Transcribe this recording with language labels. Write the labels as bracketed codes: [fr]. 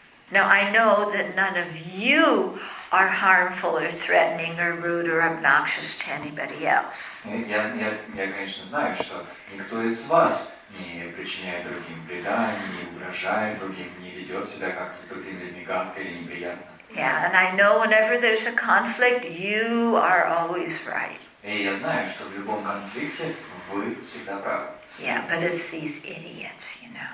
[en] No, I know that none of you are harmful or threatening or rude or obnoxious to anybody else. [ru] Я, конечно, знаю, что никто из вас не причиняет другим вреда, не угрожает другим, не ведет себя как-то с другими людьми гадко или неприятно. [en] Yeah, and I know whenever there's a conflict, you are always right. [ru] И я знаю, что в любом конфликте вы всегда правы. [en] Yeah, but it's these idiots, you know.